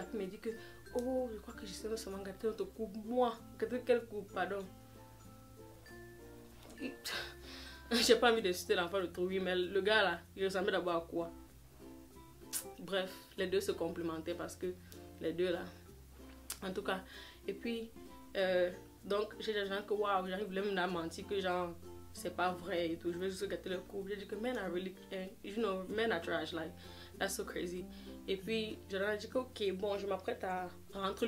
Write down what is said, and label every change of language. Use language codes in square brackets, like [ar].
[fr] Après, il me dit que « Oh, je crois que je sais seulement gâter notre coup. Moi, quel coup, pardon. » J'ai pas envie d'insulter l'enfant de trouver, mais le gars là, il ressemblait d'abord à quoi? Bref, les deux se complimentaient parce que les deux là, en tout cas, et puis donc j'ai des gens que waouh, j'arrive même à mentir que genre c'est pas vrai et tout, je vais juste gâter le couple. J'ai dit que [en] men are really, you know, men are trash, like that's so crazy. [fr] Et puis j'ai dit que ok, bon, je m'apprête à rentrer.